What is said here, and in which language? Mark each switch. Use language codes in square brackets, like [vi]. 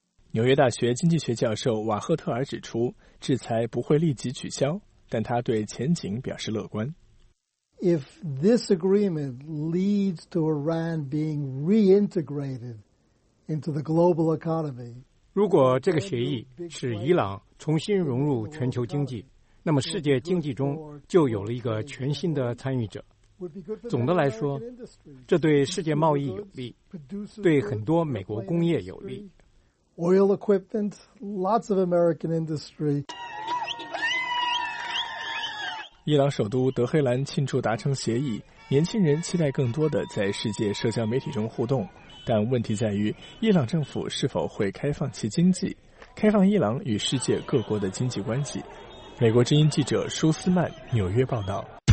[zh] 纽约大学经济学教授瓦赫特尔指出，制裁不会立即取消，但他对前景表示乐观。 [en] If this agreement leads to Iran being reintegrated into the global economy, [zh] 如果这个协议使伊朗重新融入全球经济，那么世界经济中就有了一个全新的参与者。总的来说，这对世界贸易有利，对很多美国工业有利。 [en] Oil equipment, lots of American industry. [zh] 伊朗首都德黑兰庆祝达成协议，年轻人期待更多的在世界社交媒体中互动，但问题在于伊朗政府是否会开放其经济，开放伊朗与世界各国的经济关系。美国之音记者舒斯曼纽约报道。